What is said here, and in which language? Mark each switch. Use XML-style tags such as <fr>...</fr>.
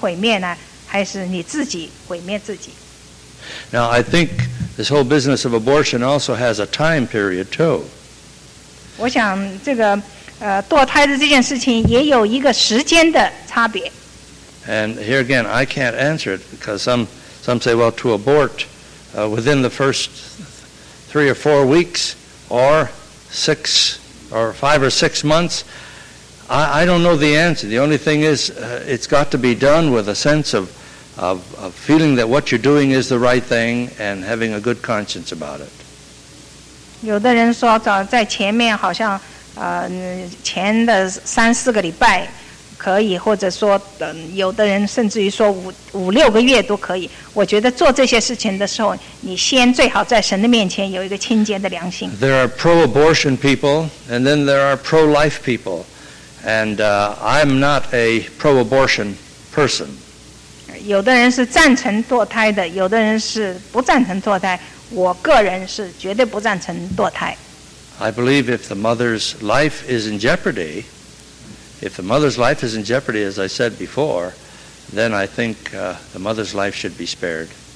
<zh>这是一个决定，就是说你应该把孩子生出来，让这孩子被这环境毁灭呢，还是你自己毁灭自己？</zh> <en>Now I think this whole business of abortion also has a time period too.</en> <zh>我想这个。堕胎的这件事情也有一个时间的差别。</zh> <en>And here again, I can't answer it because some say, well, to abort within the first 3 or 4 weeks or 6 or 5 or 6 months, I don't know the answer. The only thing is, it's got to be done with a sense of feeling that what you're doing is the right thing and having a good conscience about it.</en> <zh>有的人说在前面好像 前的三四个礼拜可以，或者说，有的人甚至于说五六个月都可以。我觉得做这些事情的时候，你先最好在神的面前有一个清洁的良心。</zh> <en>There are pro-abortion people, and then there are pro-life people, and I'm not a pro-abortion person.</en> <zh>有的人是赞成堕胎的，有的人是不赞成堕胎。我个人是绝对不赞成堕胎。</zh> <en>I believe if the mother's life is in jeopardy, if the mother's life is in jeopardy, as I said before, then I think the mother's life should be spared.</en>